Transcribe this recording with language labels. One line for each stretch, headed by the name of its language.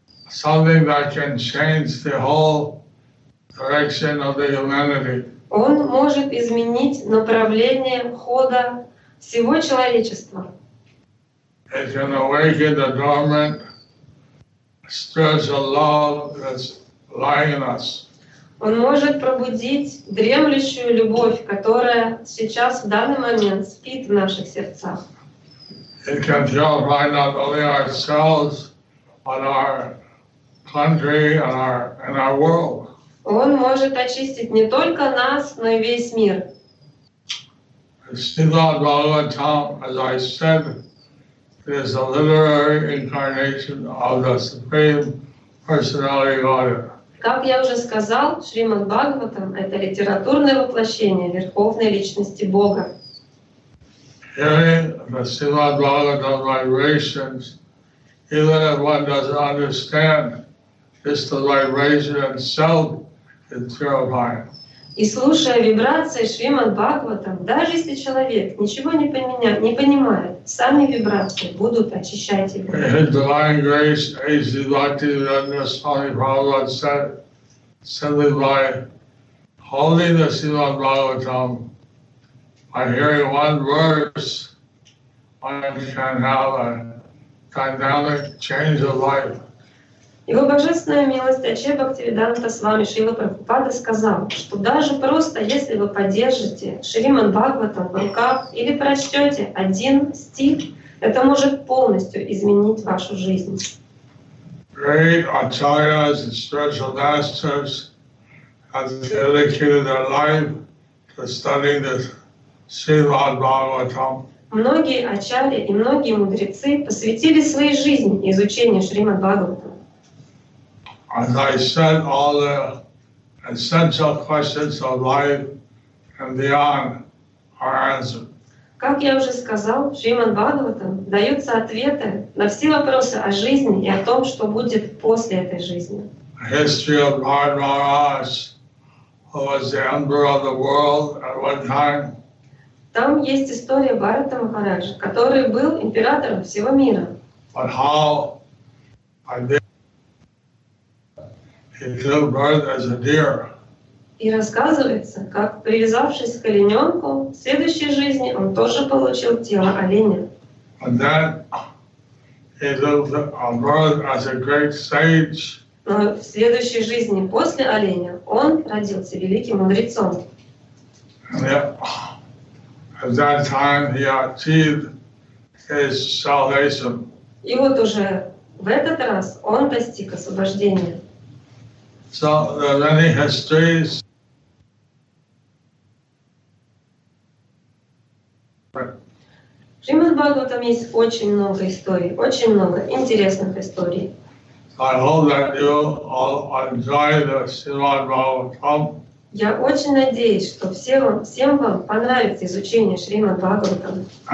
English: Something that can change the whole direction of the humanity.
Russian: Он может изменить направление хода всего человечества.
English: It can awaken the dormant spiritual love that's lying in us.
Russian: Он может пробудить дремлющую любовь, которая сейчас в данный момент спит в наших сердцах.
English: It can purify not only ourselves, but our country and our world.
Russian: Он может очистить не только нас, но и весь мир.
English: Srimad Bhagavatam, as I said, is a literary incarnation of the Supreme Personality of Godhead.
Russian: Как я уже сказал, Шримад Бхагаватам — это литературное воплощение Верховной Личности Бога.
English: Hearing the Srimad Bhagavatam vibrations, even if one doesn't understand, just the vibration itself is terrifying.
Russian: И слушая вибрации Шримад Бхагаватам, даже если человек ничего не понимает, сами вибрации будут очищать его.
English: The divine grace is divided, as Swami Prabhupada said, simply by holding the Srimad Bhagavatam, By hearing one verse, one can have a dynamic change of life.
Russian: Его божественная милость Ачхе Бхактивиданта Свами Шрила Прабхупада сказал, что даже просто если вы поддержите Шриман Бхагаватам в руках или прочтете один стих, это может полностью изменить вашу жизнь.
English: Great acharyas and spiritual masters have dedicated their life to studying the Srimad Bhagavatam.
Russian: Многие ачарьи и многие мудрецы посвятили свои жизни изучению Шриман Бхагаватам.
English: As I said, all the essential questions of life and beyond are answered.
Russian: Как я уже сказал, Шриман Бхагаватам даются ответы на все вопросы о жизни и о том, что будет после этой жизни.
English: The history of Bhai Maharaj, who was the emperor of the world at one time.
Russian: Там есть история Бхарата Махараджа, который был императором всего мира.
English: But how he took birth as a deer.
Russian: И рассказывается, как, привязавшись к олененку, в следующей жизни он тоже получил тело оленя.
English: And then he took birth as a great sage.
Russian: Но в следующей жизни, после оленя, он родился великим мудрецом.
English: At that time he achieved his salvation.
Russian: И вот уже в этот раз он достиг освобождения.
English: So there are many histories.
Russian: Шримад Бхагаватам есть очень много историй, очень много интересных историй.
English: I hope that you all enjoy the Srimad Bhagavatam.
Russian: Я очень надеюсь, что всем вам понравится изучение Шримад Бхагаватам.